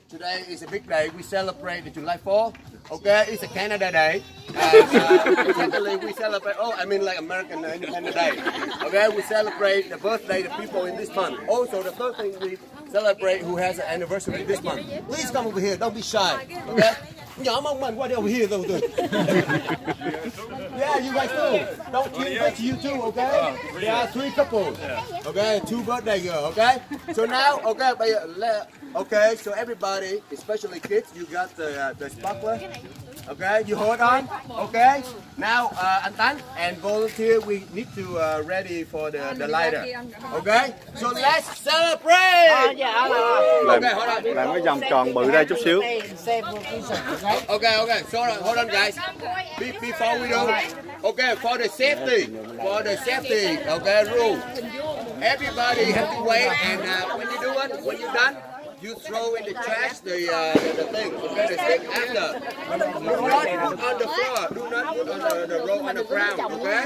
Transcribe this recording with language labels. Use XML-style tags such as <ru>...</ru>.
<en>Today is a big day. We celebrate the July 4th. Okay, it's a Canada Day. Basically, we celebrate. Oh, I mean like American Independence Day. Okay, we celebrate the birthday of the people in this month. Also, the first thing we celebrate who has an anniversary this month. Please come over here. Don't be shy. Okay.</en> <vi>Nhỏ mong manh qua đây</vi> <en>over here, though. Yeah, you guys too. Don't kill me, you too, okay? Yeah, three couples. Okay, two birthday girls, okay? So now, okay, okay, so everybody, especially kids, you got the sparkler. Okay, you hold on, okay? Now, Antan and volunteer, we need to ready for the lighter. Okay, so let's celebrate! Okay, hold on.</en> <vi>Làm cái vòng tròn bự ra chút xíu.</vi> <en>Okay, so hold on, guys. Before we do, okay, for the safety, okay, rule. Everybody have to wait, and when you do it, when you're done, you throw in the trash the thing, okay, the stick after. Do not put on the floor, do not put on the road on the ground, okay?</en>